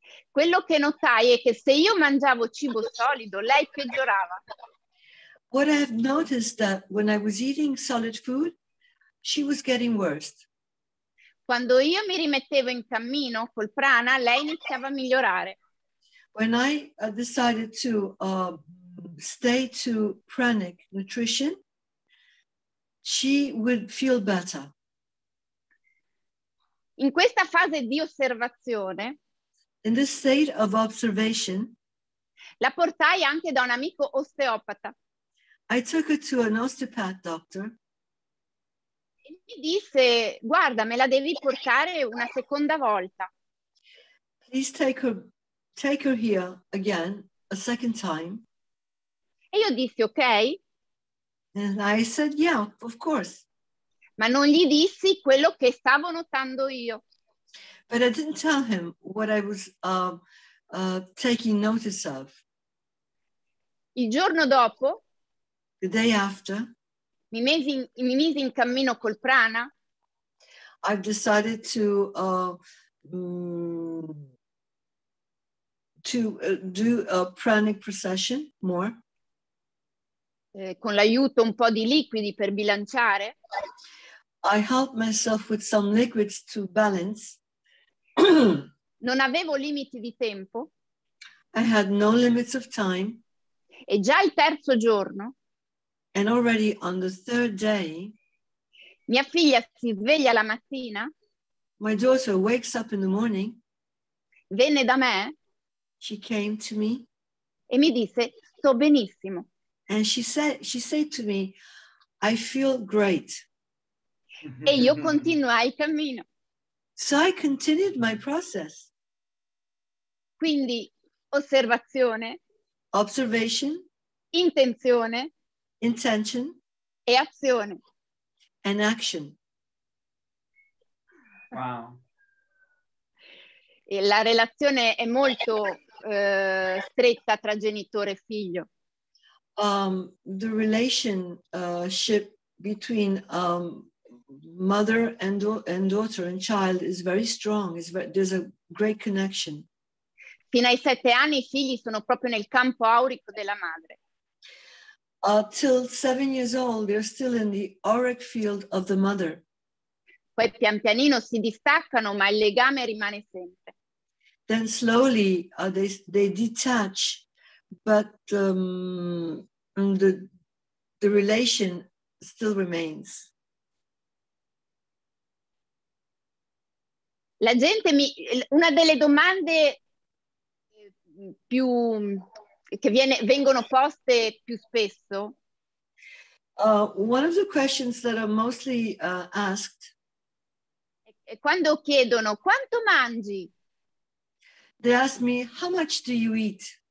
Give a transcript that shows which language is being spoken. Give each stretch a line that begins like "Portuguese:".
Italian: Quello che notai è che se io mangiavo cibo solido, lei peggiorava.
English: What I have noticed that when I was eating solid food, she was getting worse.
Italian: Quando io mi rimettevo in cammino col prana, lei iniziava a migliorare.
English: When I decided to stay to pranic nutrition, she would feel better.
Italian: In questa fase di osservazione,
English: in this state of observation,
Italian: la portai anche da un amico osteopata.
English: I took her to an osteopath doctor.
Italian: E mi disse, guarda, me la devi portare una seconda volta.
English: Please take her here again, a second time.
Italian: E io dissi, ok.
English: And I said, yeah, of course.
Italian: Ma non gli dissi quello che stavo notando io.
English: But I didn't tell him what I was taking notice of.
Italian: Il giorno dopo,
English: the day after,
Italian: mi misi in cammino col prana.
English: I've decided to do a pranic procession more.
Italian: Con l'aiuto un po' di liquidi per bilanciare.
English: I helped myself with some liquids to balance.
Italian: Non avevo limiti di tempo.
English: I had no limits of time.
Italian: E già il terzo giorno.
English: And already on the third day.
Italian: Mia figlia si sveglia la mattina.
English: My daughter wakes up in the morning.
Italian: Venne da me.
English: She came to me.
Italian: E mi disse, sto benissimo.
English: And she said to me, I feel great.
Italian: E io continuai il cammino.
English: So I continued my process.
Italian: Quindi, osservazione.
English: Observation.
Italian: Intenzione.
English: Intention.
Italian: E azione.
English: And action. Wow.
Italian: E la relazione è molto stretta tra genitore e figlio.
English: The relationship between mother and daughter and child is very strong. There's a great connection.
Italian: Fino ai 7 anni i figli sono proprio nel campo aurico della madre.
English: Till 7 years old, they're still in the auric field of the mother.
Italian: Poi pian pianino si distaccano, ma il legame rimane sempre.
English: Then slowly they detach, but the relation still remains.
Italian: La gente una delle domande più che vengono poste più spesso.
English: One of the questions that are mostly asked.
Italian: È quando chiedono quanto mangi.
English: They ask me how much do you eat.